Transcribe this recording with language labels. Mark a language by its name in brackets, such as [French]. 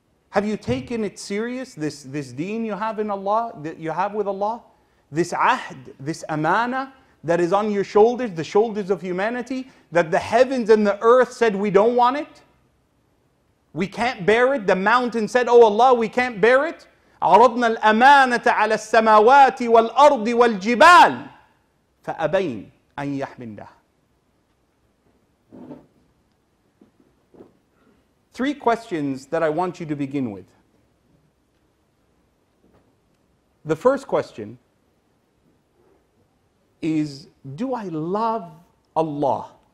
[English] Have you taken it serious, this deen you have in Allah, that you have with Allah? This ahd, this amana that is on your shoulders, the shoulders of humanity, that the heavens and the earth said we don't want it? We can't bear it. The mountain said, oh Allah, we can't bear it. [Arabic] عرضنا الأمانة على السماوات والأرض والجبال فأبين أن يحملنها. [English] Three questions that I want you to begin with. The first question is, do I love Allah?